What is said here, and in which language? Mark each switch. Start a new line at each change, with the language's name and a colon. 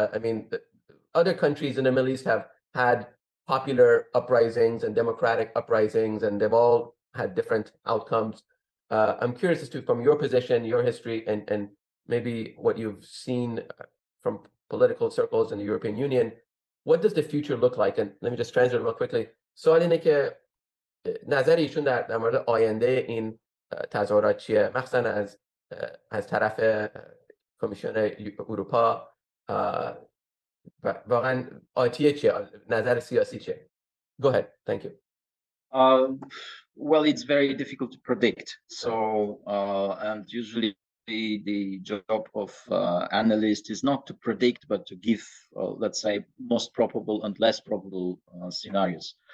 English: I mean, other countries in the Middle East have had popular uprisings and democratic uprisings, and they've all had different outcomes. I'm curious as to, from your position, your history, and maybe what you've seen from political circles in the European Union, what does the future look like? And let me just translate real quickly.
Persian: So سوال اینه که نظر ایشون در مورد آینده این تظاهرات چیه، مخصوصا از طرف کمیسیون اروپا. واقعا آتیه چیه؟ نظر سیاسی چیه؟
English: Go ahead. Thank you. Well, it's very difficult to predict. So, and usually the job of analyst is not to predict, but to give, let's say, most probable and less probable scenarios.